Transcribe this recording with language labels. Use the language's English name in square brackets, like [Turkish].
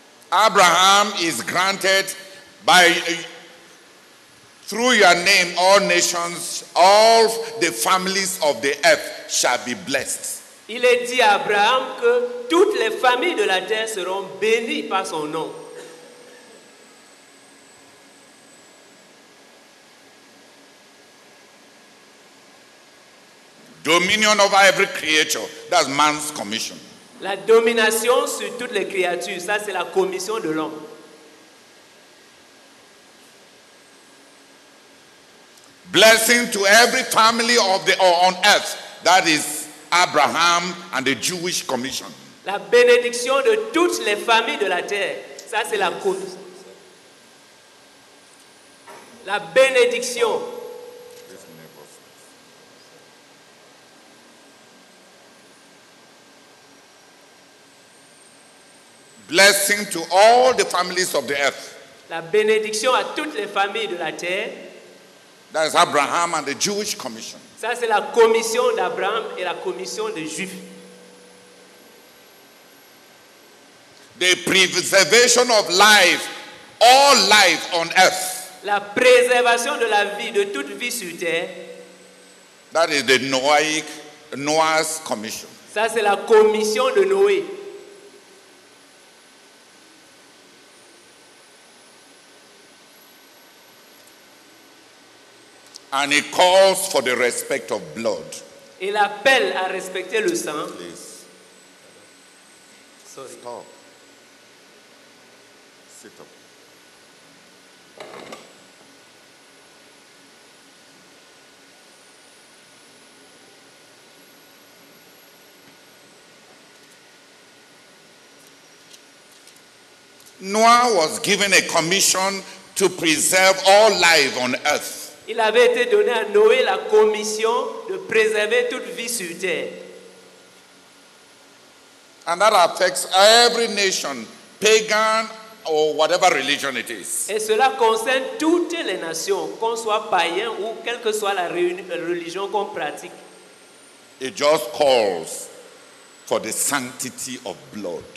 [English] Abraham is granted by through your name all nations, all the families of the earth shall be blessed. [French] Il est dit à Abraham que toutes les familles de la terre seront bénies par son nom. [English] Dominion over every creature, that's man's commission. [French] La domination sur toutes les créatures, ça c'est la commission de l'homme. [English] Blessing to every family of the on earth, that is Abraham and the Jewish commission. [French] La bénédiction de toutes les familles de la terre, ça c'est la commission. La bénédiction. [English] Blessing to all the families of the earth. [French] La bénédiction à toutes les familles de la terre. [English] That is Abraham and the Jewish commission. [French] Ça c'est la commission d'Abraham et la commission des Juifs. [English] The preservation of life, all life on earth. [French] La préservation de la vie, de toute vie sur terre. [English] That is the Noah's commission. [French] Ça c'est la commission de Noé. [English] And he calls for the respect of blood. [French] Il appelle à respecter le sang. [English] Please. Sorry. Stop. Sit up. Noah was given a commission to preserve all life on earth. [French] Il avait été donné à Noé la commission de préserver toute vie sur terre. [English] And that affects every nation, pagan or whatever religion it is. [French] Et cela concerne toutes les nations, qu'on soit païen ou quelle que soit la religion qu'on pratique. [English] It just calls for the sanctity of blood.